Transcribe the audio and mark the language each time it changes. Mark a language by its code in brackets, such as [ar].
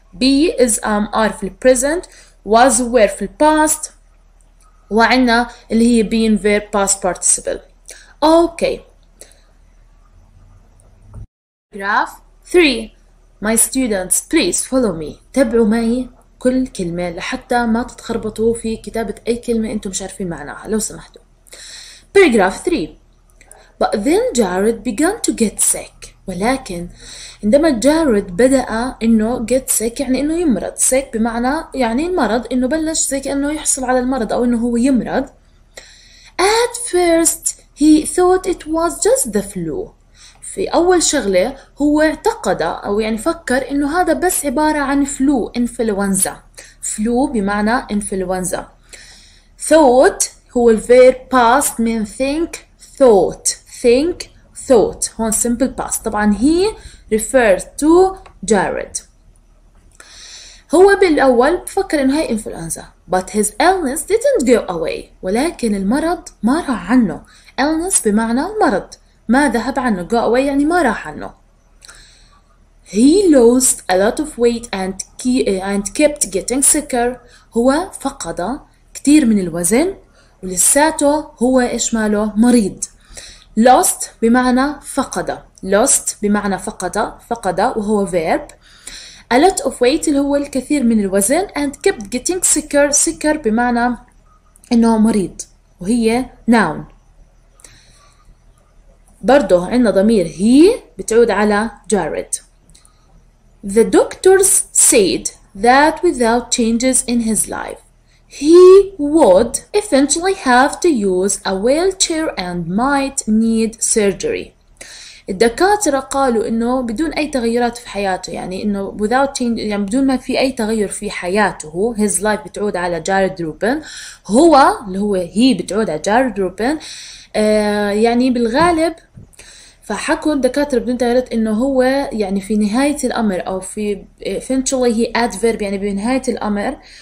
[en] be is are في الـ present was were في الـ past [ar] وعنا اللي هي [en] being verb past participle. okay paragraph 3 my students please follow me [ar] تابعوا معي كل كلمة لحتى ما تتخربطوا في كتابة أي كلمة أنتم مش عارفين معناها لو سمحتوا. [en] paragraph 3 but then Jared began to get sick. [ar] ولكن عندما جارد بدأ إنه get sick يعني إنه يمرض. sick بمعنى يعني المرض إنه بلش زي كأنه يحصل على المرض أو إنه هو يمرض. [en] at first he thought it was just the flu. [ar] في أول شغلة هو اعتقد أو يعني فكر إنه هذا بس عبارة عن flu influenza. flu بمعنى influenza. thought هو الفير past من think thought. [en] think thought هون simple past طبعا he referred to Jared. [ar] هو بالأول بفكر إنه هي إنفلونزا [en] but his illness didn't go away [ar] ولكن المرض ما راح عنه. illness بمعنى المرض ما ذهب عنه go away يعني ما راح عنه. [en] he lost a lot of weight and kept getting sicker. [ar] هو فقد كثير من الوزن ولساته هو إيش ماله مريض. lost بمعنى فقد. lost بمعنى فقد فقد وهو verb. [en] a lot of weight [ar] اللي هو الكثير من الوزن [en] and kept getting sicker. [ar] sicker بمعنى انه مريض وهي noun. برضو عندنا ضمير he بتعود على Jared. [en] the doctors said that without changes in his life he would eventually have to use a wheelchair and might need surgery. [ar] الدكاترة قالوا إنه بدون أي تغيرات في حياته يعني إنه without change يعني بدون ما في أي تغير في حياته his life بتعود على Jared Rupin هو اللي هو he بتعود على Jared Rupin يعني بالغالب فحكوا الدكاترة بدون تغيرات إنه هو يعني في نهاية الأمر أو في eventually he adverb يعني بنهاية الأمر